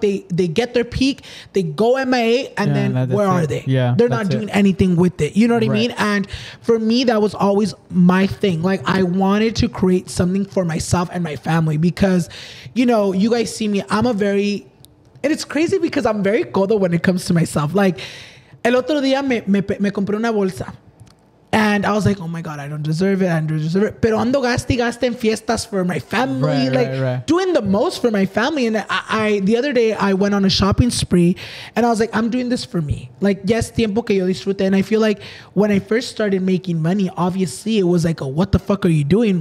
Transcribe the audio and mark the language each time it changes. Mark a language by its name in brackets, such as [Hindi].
[English] They get their peak, they go MIA, and then where are they? Yeah, they're not doing anything with it. You know what I mean? And for me, that was always my thing. Like, I wanted to create something for myself and my family because, you know, you guys see me, I'm a very, and it's crazy because I'm very codo when it comes to myself. [Spanish] Like, el otro día me compré una bolsa. [English] And I was like, oh my God, I don't deserve it. [Spanish] Pero ando gasti gasti en fiestas [English] for my family. Right, like, right. Doing the most for my family. And I the other day, I went on a shopping spree. And I was like, I'm doing this for me. Like, yes, [Spanish] tiempo que yo disfrute. [English] And I feel like when I first started making money, obviously, it was like, what the fuck are you doing?